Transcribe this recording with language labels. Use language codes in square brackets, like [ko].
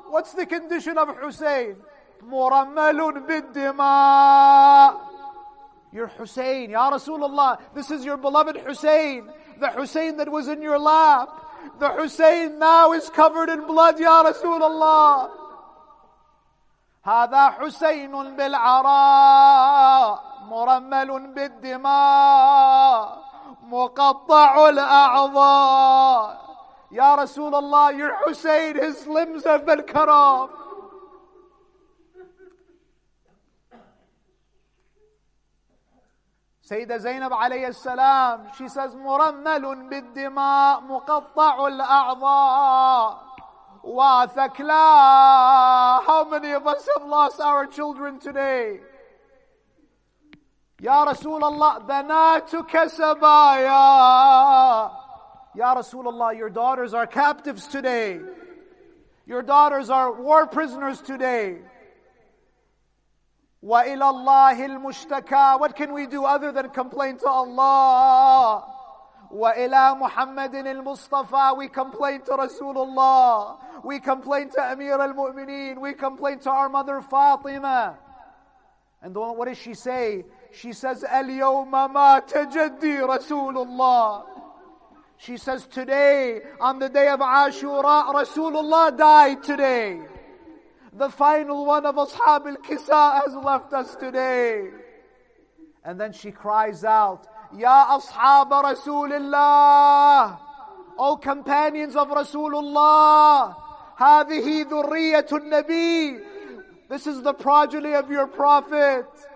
[en] What's the condition of Hussein? [ar] مرمل بالدماء. [en] Your Hussein, Ya Rasulullah, this is your beloved Hussein, the Hussein that was in your lap. The Hussein now is covered in blood, Ya Rasulullah. [ar] هذا حسين بالعراء مرمل بالدماء مقطع الأعضاء. [en] Ya Rasulullah, your Hussein, his limbs have been cut off. Sayyida Zainab alayhi salam, she says, [ar] مُرَمَّلٌ بِالدِّمَاءِ مُقَطَّعُ الْأَعْضَاءِ وَثَكْلَا. [en] How many of us have lost our children today? Ya Rasulullah, [ar] بَنَاتُكَ سَبَايَا. [en] Ya Rasulullah, your daughters are captives today. Your daughters are war prisoners today. [ar] وَإِلَى اللَّهِ الْمُشْتَكَى. [en] What can we do other than complain to Allah? [ar] وَإِلَى مُحَمَّدٍ الْمُصْطَفَى. [en] We complain to Rasulullah. We complain to Amir al-Mu'mineen. We complain to our mother Fatima. And what does she say? She says, [ar] أَلْيَوْمَ مَا تَجَدِّي رَسُولُ اللَّهِ. [en] She says, today, on the day of Ashura, Rasulullah died today. The final one of Ashab al-Kisa has left us today. And then she cries out, Ya Ashab Rasulullah, O companions of Rasulullah, [ar] Hadhihi Dhurriyatun Nabi, [en] this is the progeny of your Prophet.